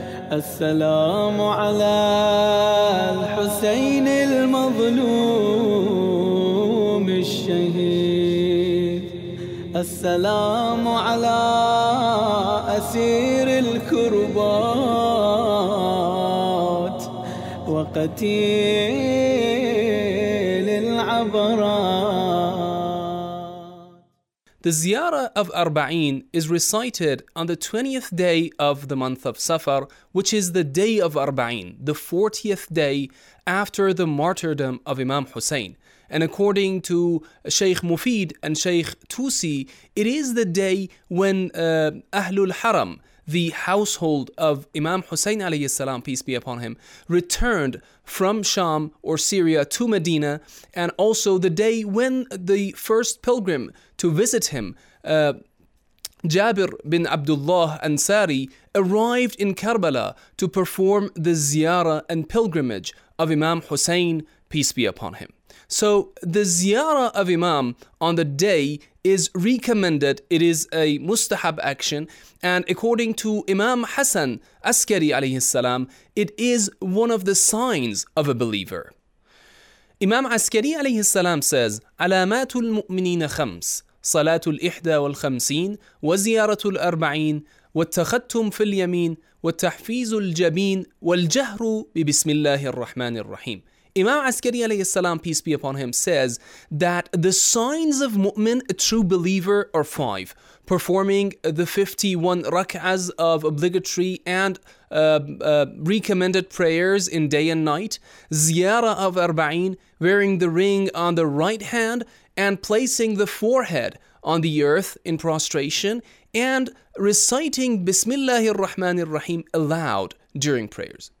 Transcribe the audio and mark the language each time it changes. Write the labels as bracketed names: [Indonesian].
[Arabic] السلام على الحسين المظلوم الشهيد. السلام على أسير الكربات وقتيل العبرات. [English] The Ziyarah of Arba'in is recited on the 20th day of the month of Safar, which is the day of Arba'in, the 40th day after the martyrdom of Imam Hussein. And according to Sheikh Mufid and Sheikh Tusi, it is the day when Ahlul Haram, the household of Imam Hussein alayhi salam, peace be upon him, returned from Sham or Syria to Medina, and also the day when the first pilgrim to visit him, Jabir bin Abdullah Ansari, arrived in Karbala to perform the ziyarah and pilgrimage of Imam Hussein, peace be upon him. So the ziyarah of Imam on the day is recommended. It is a mustahab action. And according to Imam Hassan Askari alayhi salam, it is one of the signs of a believer. Imam Askari alayhi salam says, [Arabic] Alamatul mu'minina khams. صلاة الإحدى والخمسين وزيارة الأربعين والتختم في اليمين والتحفيز الجبين والجهر ببسم الله الرحمن الرحيم. [English] Imam Askari alayhi salam, peace be upon him, says that the signs of mu'min, a true believer, are five. Performing the 51 rak'ahs of obligatory and recommended prayers in day and night, ziyarah of Arba'in, wearing the ring on the right hand and placing the forehead on the earth in prostration, and reciting Bismillahir Rahmanir Rahim aloud during prayers.